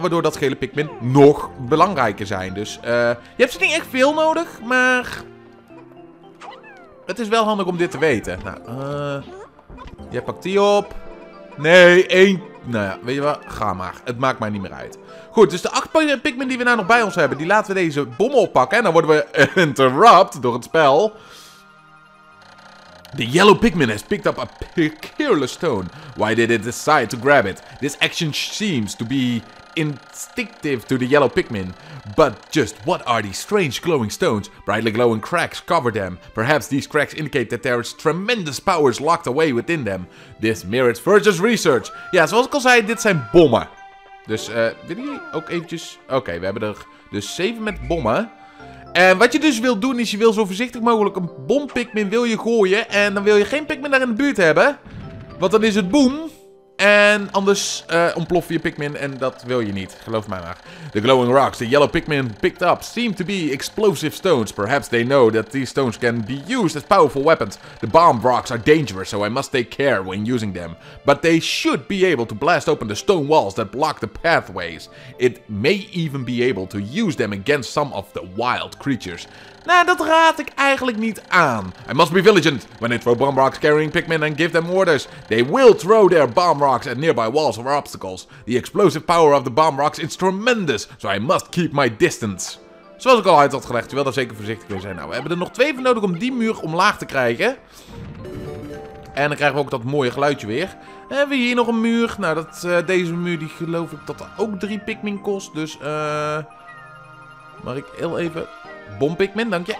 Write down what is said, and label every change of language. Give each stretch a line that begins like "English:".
Dutch: Waardoor dat gele Pikmin nog belangrijker zijn. Dus je hebt ze niet echt veel nodig, maar het is wel handig om dit te weten. Nou, jij pakt die op. Nee, één. Nou ja, weet je wat? Ga maar. Het maakt mij niet meer uit. Goed, dus de 8 Pikmin die we nou nog bij ons hebben, die laten we deze bommen oppakken. En dan worden we interrupt door het spel.
English: The yellow Pikmin has picked up a peculiar stone. Why did it decide to grab it? This action seems to be instinctive to the yellow Pikmin. But just what are these strange glowing stones? Brightly glowing cracks cover them. Perhaps these cracks indicate that there is tremendous powers locked away within them. This merits further research.
Dutch: Ja, zoals ik al zei, dit zijn bommen. Dus, willen jullie ook eventjes... Oké, we hebben er dus 7 met bommen. En wat je dus wil doen is je wil zo voorzichtig mogelijk een bom Pikmin wil je gooien. En dan wil je geen Pikmin daar in de buurt hebben. Want dan is het boom. En anders ontploffen je Pikmin en dat wil je niet. Geloof mij maar.
English: The glowing rocks the yellow Pikmin picked up seem to be explosive stones. Perhaps they know that these stones can be used as powerful weapons. The bomb rocks are dangerous, so I must take care when using them. But they should be able to blast open the stone walls that block the pathways. It may even be able to use them against some of the wild creatures.
Dutch: Nou, dat raad ik eigenlijk niet aan.
English: I must be vigilant when I throw bomb rocks carrying Pikmin and give them orders. They will throw their bomb rocks at nearby walls or obstacles. The explosive power of the bomb rocks is tremendous, so I must keep my distance.
Dutch: Zoals ik al uit had gelegd, je wilt daar zeker voorzichtig mee zijn. Nou, we hebben er nog twee voor nodig om die muur omlaag te krijgen. En dan krijgen we ook dat mooie geluidje weer. En we hier nog een muur. Nou, dat, deze muur die geloof ik dat er ook 3 Pikmin kost. Dus, mag ik heel even... Bom Pikmin, dank je.